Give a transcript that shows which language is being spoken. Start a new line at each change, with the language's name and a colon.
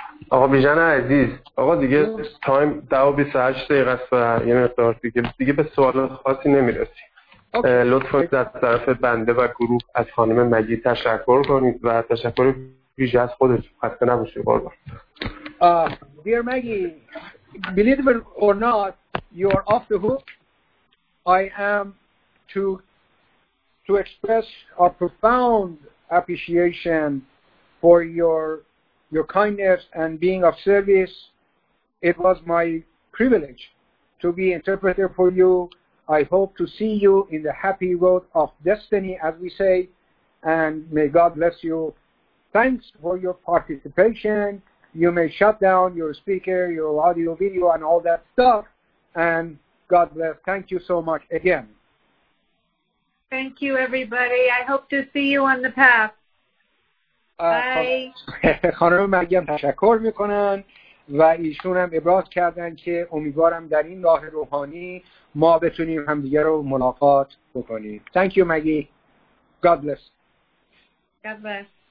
Persian: آقا بیژن عزیز، آقا دیگه تایم 10:28 دقیقه است و یه مقدار دیگه به سوال خاصی نمیرسیم. لطفا از طرف بنده و گروه از خانم مجید تشکر کنید و تشکر ویژه از خودش خسته نباشید. قربان.
English: Dear Maggie, believe it or not, you're off the hook. I am to express our profound appreciation for your kindness and being of service. It was my privilege to be interpreter for you. I hope to see you in the happy road of destiny, as we say, and may God bless you. Thanks for your participation. You may shut down your speaker, your audio, video, and all that stuff. And God bless. Thank you so much again. Thank you, everybody. I hope to see you on the path. Bye.
Persian: خانم مگی هم تشکر میکنن و ایشون هم ابراز کردن که امیدوارم در این راه روحانی ما بتونیم همدیگه رو ملاقات بکنیم.
English: Thank you, Maggie. God bless. God bless.